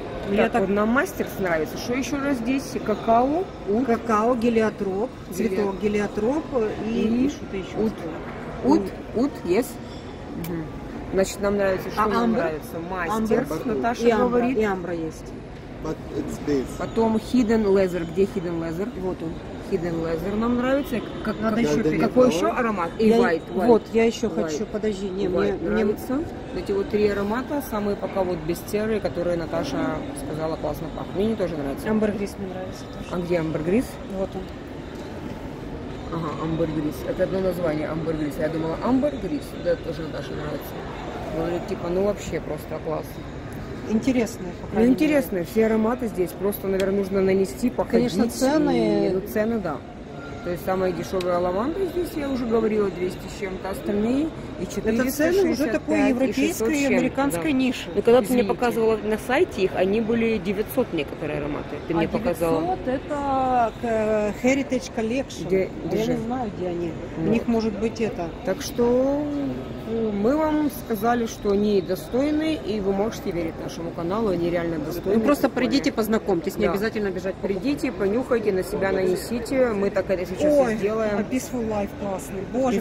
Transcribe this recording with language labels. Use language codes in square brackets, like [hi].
[ru] Мне так вот нам мастер нравится. Что еще раз здесь? Какао, ут. Какао, гелиотроп, цветок гелиотроп и что-то еще. Ут, yes. Угу. Значит, нам нравится, что нам нравится? Мастер, Наташа и амбра, говорит. И амбра есть. [en] But it's base. [ru] Потом hidden leather. Где hidden leather? Вот он. Hidden leather нам нравится. Как, надо еще перейти. Какой еще аромат? И white. Вот, я еще white. Хочу. Подожди. Не, мне нравится. Эти вот три аромата, самые пока вот без серы, которые Наташа сказала классно пахнут. Мне не тоже нравится. Амбергрис мне нравится тоже. А где амбергрис? Вот он. Ага, амбергрис. Это одно название амбергрис. Я думала, амбергрис. Да, тоже Наташе нравится. Говорит, типа, ну вообще просто класс. Интересные, по крайней мере. Интересные. Все ароматы здесь. Просто, наверное, нужно нанести, походить. Конечно, цены. И цены, да. То есть самая дешевая лаванда здесь, я уже говорила, 200 с чем-то, остальные. И 465, это цены уже такой европейской и американской ниши. Но когда ты мне показывала на сайте их, они были 900 некоторые ароматы. Ты мне показала. 900 это Heritage Collection. Где я же? Не знаю, где они. Вот. У них может быть это. Так что мы вам сказали, что они достойны, и вы можете верить нашему каналу, они реально достойны. Ну просто придите, познакомьтесь, не обязательно бежать. Придите, понюхайте, на себя нанесите, мы так это сейчас и сделаем. Ой, Peaceful Life классный, боже,